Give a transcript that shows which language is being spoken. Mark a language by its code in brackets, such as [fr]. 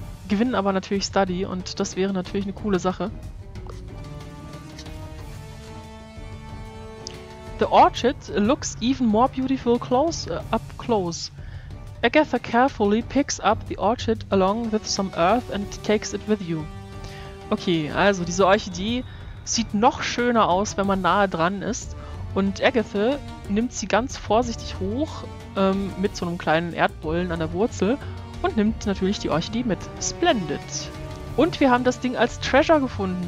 [de] Gewinnen aber natürlich Study, und das wäre natürlich eine coole Sache. [en] The orchid looks even more beautiful close, up close. Agatha carefully picks up the orchid along with some earth and takes it with you. [de] Okay, also diese Orchidee sieht noch schöner aus, wenn man nahe dran ist. Und Agatha nimmt sie ganz vorsichtig hoch mit so einem kleinen Erdbollen an der Wurzel. Und nimmt natürlich die Orchidee mit. Splendid. Und wir haben das Ding als Treasure gefunden.